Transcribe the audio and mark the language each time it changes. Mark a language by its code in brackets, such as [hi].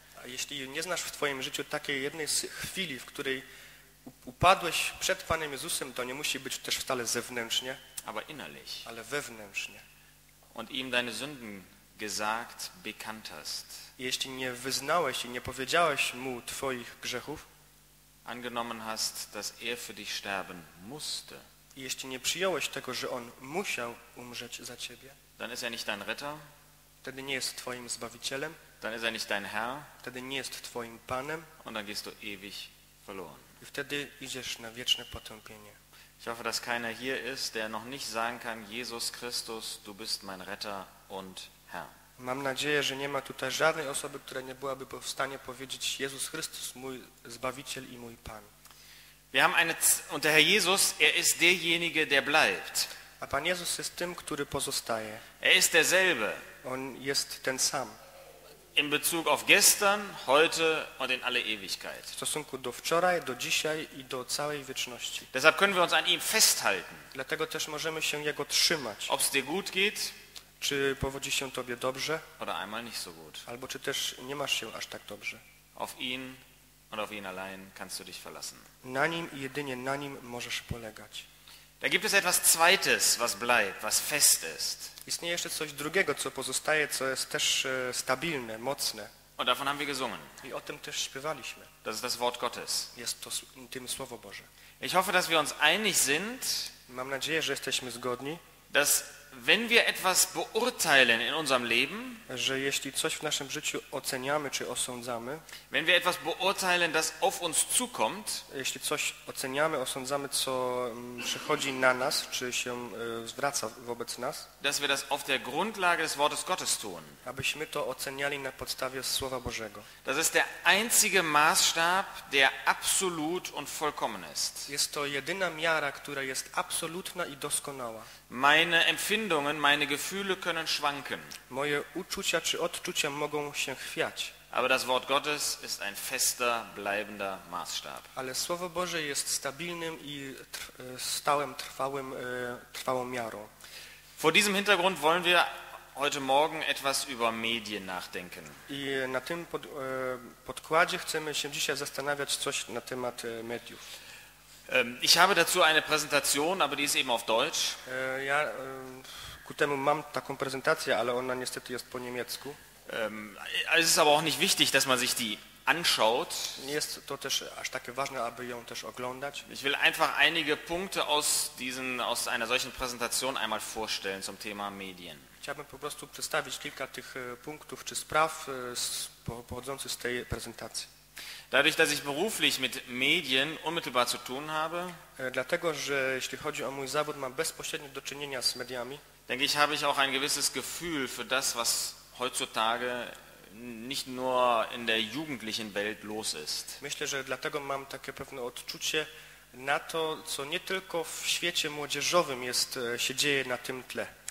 [pl] A jeśli nie znasz w twoim życiu takiej jednej chwili, w której upadłeś przed Panem Jezusem, to nie musi być też wcale zewnętrznie, [de] aber innerlich, [pl] ale wewnętrznie. [de] Und ihm deine Sünden gesagt, bekannt hast. [pl] Jeśli nie wyznałeś i nie powiedziałeś mu twoich grzechów, [de] angenommen hast, dass er für dich sterben musste, [pl] i jeśli nie przyjąłeś tego, że on musiał umrzeć za ciebie, [de] dann ist er nicht dein Retter, [pl] wtedy nie jest twoim Zbawicielem, [de] dann ist er nicht dein Herr, [pl] wtedy nie jest twoim Panem, [de] und dann gehst du ewig verloren. [pl] I wtedy idziesz na wieczne potępienie. [de] Ich hoffe, dass keiner hier ist, der noch nicht sagen kann: Jesus Christus, du bist mein Retter und Herr. [pl] Mam nadzieję, że nie ma tutaj żadnej osoby, która nie byłaby w stanie powiedzieć: Jezus Chrystus, mój Zbawiciel i mój Pan. [de] Wir haben eine und der Herr Jesus, er ist derjenige, der bleibt. [pl] A Pan Jezus jest tym, który pozostaje. [de] Er ist derselbe. [pl] On jest ten sam. [de] In Bezug auf gestern, heute und in alle Ewigkeit. [pl] W stosunku do wczoraj, do dzisiaj i do całej wieczności. [de] Deshalb können wir uns an ihm festhalten. [pl] Dlatego też możemy się jego trzymać. [de] Ob es dir gut geht, [pl] czy powodzi się tobie dobrze, [de] oder einmal nicht so gut. [pl] Albo czy też nie masz się aż tak dobrze. [de] Auf ihn und auf ihn allein kannst du dich verlassen. [pl] Na nim i jedynie na nim możesz polegać. [de] Da gibt es etwas Zweites, was bleibt, was fest ist. [pl] Istnieje jeszcze coś drugiego, co pozostaje, co jest też stabilne, mocne. [de] Und davon haben wir gesungen. [pl] I o tym też śpiewaliśmy. [de] Das ist das Wort Gottes. [pl] Jest to tym Słowo Boże. [de] Ich hoffe, dass wir uns einig sind. [pl] Mam nadzieję, że jesteśmy zgodni. [de] Dass wenn wir etwas beurteilen in unserem Leben, [pl] że jeśli coś w naszym życiu oceniamy czy osądzamy, [de] wenn wir etwas beurteilen, das auf uns zukommt, [pl] jeśli coś oceniamy, osądzamy, co przychodzi na nas, czy się zwraca wobec nas, [de] dass wir das auf der Grundlage des Wortes Gottes tun, [pl] abyśmy to oceniali na podstawie Słowa Bożego. [de] Das ist der einzige Maßstab, der absolut und vollkommen ist. [pl] Jest to jedyna miara, która jest absolutna i doskonała. [de] Meine Empfindungen, meine Gefühle können schwanken. [pl] Moje uczucia czy odczucia mogą się chwiać. [de] Aber das Wort Gottes ist ein fester, bleibender Maßstab. [pl] Ale Słowo Boże jest stabilnym i stałym, trwałym, trwałą miarą. [de] Vor diesem Hintergrund wollen wir heute Morgen etwas über Medien nachdenken. [pl] I na tym podkładzie chcemy się dzisiaj zastanawiać coś na temat mediów. [de] Ich habe dazu eine Präsentation, aber die ist eben auf Deutsch. [pl] Ja, ku temu mam taką prezentację, ale ona niestety jest po niemiecku. [de] Es ist aber auch nicht wichtig, dass man sich die anschaut. [pl] Nie jest to też aż takie ważne, aby ją też oglądać. [de] Ich will einfach einige Punkte aus einer solchen Präsentation einmal vorstellen zum Thema Medien. [pl] Chciałbym po prostu przedstawić kilka tych punktów czy spraw pochodzących z tej prezentacji. [de] Dadurch, dass ich beruflich mit Medien unmittelbar zu tun habe, [pl] dlatego, że jeśli chodzi o mój zawód, mam bezpośrednio do czynienia z mediami, [de] denke ich, habe ich auch ein gewisses Gefühl für das, was heutzutage nicht nur in der jugendlichen Welt los ist. [pl] Myślę, że dlatego mam takie pewne odczucie na to, co nie tylko w świecie młodzieżowym jest, się dzieje na tym tle.